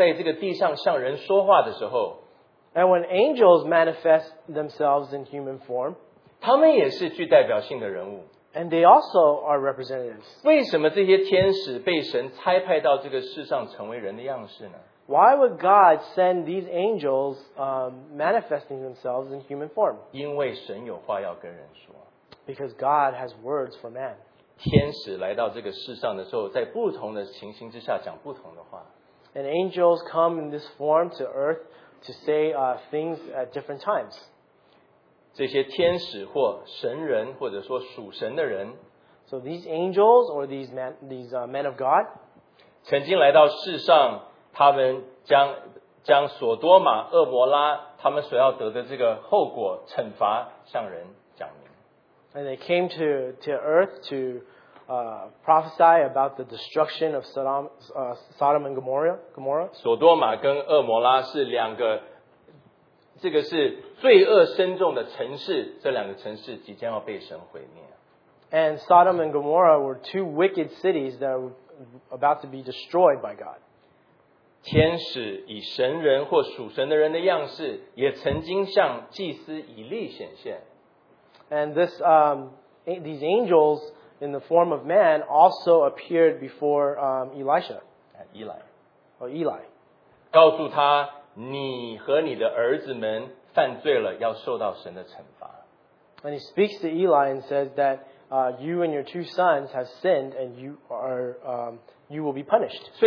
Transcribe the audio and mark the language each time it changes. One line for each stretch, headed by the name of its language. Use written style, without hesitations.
Chinese: 当天使成为人的形象，在这个地上向人说话的时候,
English: and when angels manifest themselves in human form,
Chinese: 他们也是具代表性的人物,
English: and they also are representatives.
Chinese: 为什么这些天使被神差派到这个世上成为人的样式呢?
English: Why would God send these angels manifesting themselves in human form?
Chinese: 因为神有话要跟人说,
English: because God has words for man.
Chinese: 天使来到这个世上的时候, 在不同的情形之下讲不同的话,
English: and angels come in this form to earth to say things at different times.
Chinese: 这些天使或神人或者说属神的人,
English: so these angels or these men, men of God,
Chinese: 曾经来到世上,他们将索多玛、恶摩拉他们所要得的这个后果惩罚向人讲明。
English: And they came to earth to prophesy about the destruction of Sodom and Gomorrah.
Chinese: 索多玛跟厄摩拉是两个，这个是罪恶深重的城市。这两个城市即将要被神毁灭。
English: And Sodom and Gomorrah were two wicked cities that were about to be destroyed by God.
Chinese: 天使以神人或属神的人的样式，也曾经向祭司以利显现。
English: And this, these angels in the form of man also appeared before Elisha. Eli. Or Eli.
Chinese: 告诉他，你和你的儿子们犯罪了，要受到神的惩罚。
English: And he speaks to Eli and says that you and your two sons have sinned and you are you will be punished.